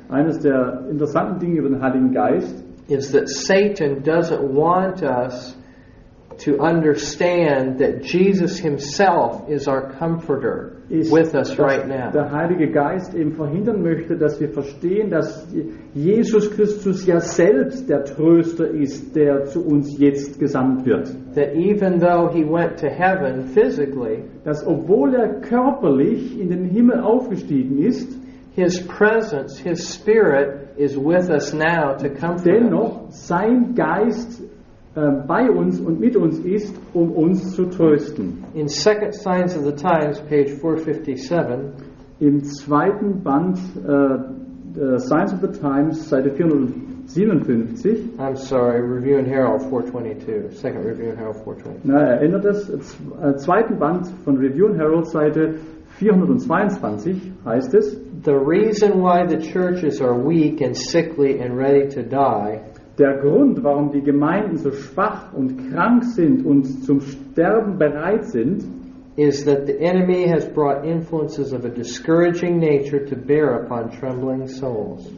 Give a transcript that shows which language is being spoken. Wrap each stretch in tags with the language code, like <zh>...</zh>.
<de>eines der interessanten Dinge über den Heiligen Geist,</de> <en>is that Satan doesn't want us to understand that Jesus himself is our comforter with us right now.</en> <de>Der Heilige Geist eben verhindern möchte, dass wir verstehen, dass Jesus Christus ja selbst der Tröster ist, der zu uns jetzt gesandt wird.</de> <en>That even though he went to heaven physically,</en> <de>dass obwohl er körperlich in den Himmel aufgestiegen ist,</de> <en>his presence, his spirit is with us now to comfort</en> <de>Dennoch sein Geist bei uns und mit uns ist, um uns zu trösten.</de> <en>In 2 Signs of the Times, page 457,</en> <de>im zweiten Band Signs of the Times, Seite 457,</de> <en>I'm sorry, Review and Herald 422, second Review and Herald 422.</en> <de>Na, erinnert das, zweiten Band von Review and Herald, Seite 422, heißt es,</de> <en>the reason why the churches are weak and sickly and ready to die,</en> <de>der Grund, warum die Gemeinden so schwach und krank sind und zum Sterben bereit sind,</de> <en>is that the enemy has brought influences of a discouraging nature to bear upon trembling souls.</en>